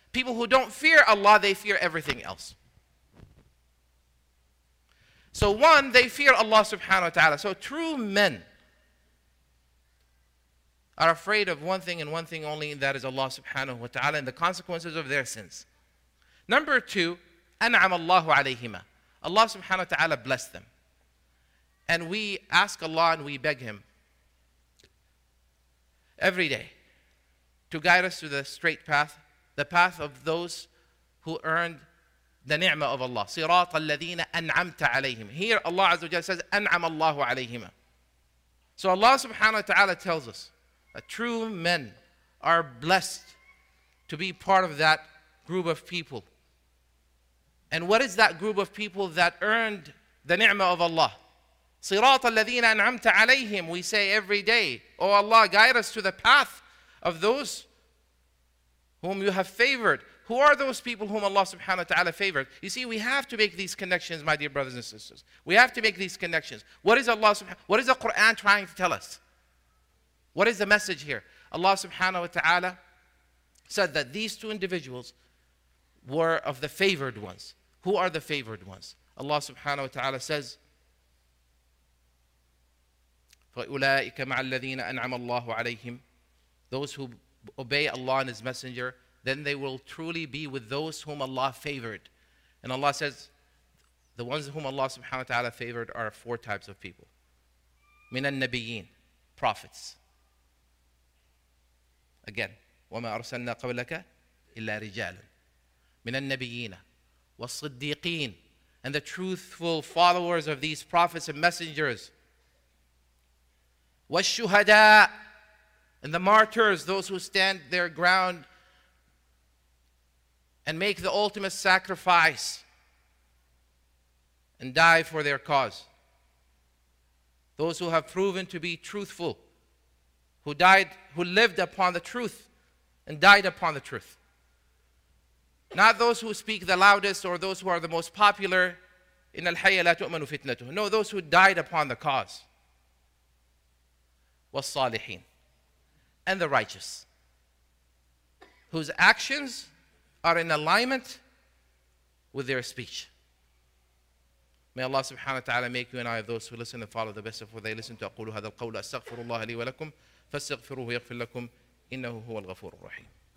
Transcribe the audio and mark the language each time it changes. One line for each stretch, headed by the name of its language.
English: People who don't fear Allah, they fear everything else. So one, they fear Allah subhanahu wa ta'ala. So true men are afraid of one thing and one thing only, and that is Allah subhanahu wa ta'ala and the consequences of their sins.
Arabic: Number two, أَنْعَمَ اللَّهُ عَلَيْهِمَا.
English: Allah subhanahu wa ta'ala bless them. And we ask Allah and we beg him every day to guide us to the straight path, the path of those who earned the ni'mah of Allah.
Arabic: صِرَاطَ الَّذِينَ أَنْعَمْتَ عَلَيْهِمْ.
English: Here Allah Azza wa Jalla says,
Arabic: أَنْعَمَ اللَّهُ عَلَيْهِمَا.
English: So Allah subhanahu wa ta'ala tells us that true men are blessed to be part of that group of people. And what is that group of people that earned the ni'mah of Allah?
Arabic: صِرَاطَ الَّذِينَ أَنْعَمْتَ عَلَيْهِمْ.
English: We say every day, O Allah, guide us to the path of those whom you have favored. Who are those people whom Allah subhanahu wa ta'ala favored? You see, we have to make these connections, my dear brothers and sisters. We have to make these connections. What is Allah subhanahu, what is the Quran trying to tell us? What is the message here? Allah subhanahu wa ta'ala said that these two individuals were of the favored ones. Who are the favored ones?
Arabic: Allah subhanahu wa ta'ala says, فَأُولَٰئِكَ مَعَ الَّذِينَ أَنْعَمَ اللَّهُ عَلَيْهِمْ.
English: Those who obey Allah and His Messenger, then they will truly be with those whom Allah favored. And Allah says, the ones whom Allah subhanahu wa ta'ala favored are four types of people.
Arabic: مِنَ النَّبِيِّينَ, prophets. Again, وَمَا أَرْسَلْنَا قَبْلَكَ إِلَّا رِجَالٌ. مِنَ النَّبِيِّينَ وَالصِّدِّيقِينَ,
English: and the truthful followers of these prophets and messengers. وَالشُّهَدَاء, and the martyrs, those who stand their ground and make the ultimate sacrifice and die for their cause. Those who have proven to be truthful, who died, who lived upon the truth and died upon the truth. Not those who speak the loudest or those who are the most popular.
Arabic: إِنَّ الْحَيَّ لَا تُؤْمَنُ فِتْنَتُهُ.
English: No, those who died upon the cause. وَالصَّالِحِينَ, and the righteous. whose actions are in alignment with their speech. May Allah subhanahu wa ta'ala make you and I of those who listen and follow the best of what they listen to.
Arabic: أقول هذا القول أستغفر الله لي ولكم فاستغفروه يغفر لكم إنه هو الغفور الرحيم.